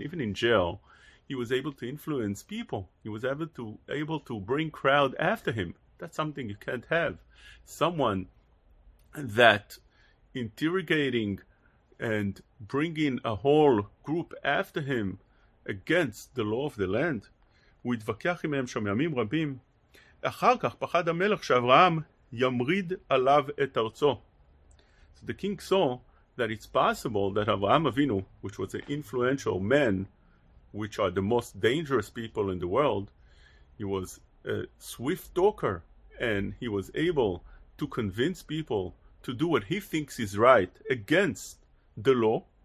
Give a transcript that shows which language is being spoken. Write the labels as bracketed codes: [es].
[en] Even in jail, he was able to influence people. He was able to bring crowd after him. That's something you can't have. Someone that interrogating and bringing a whole group after him against the law of the land. [he] הוא התווכח עמהם שם ימים רבים. אחר כך פחד המלך שאברהם ימריד עליו את ארצו. [en] So the king saw that it's possible that Avraham Avinu, which was an influential man, which are the most dangerous people in the world, he was a swift talker, and he was able to convince people to do what he thinks is right against the law.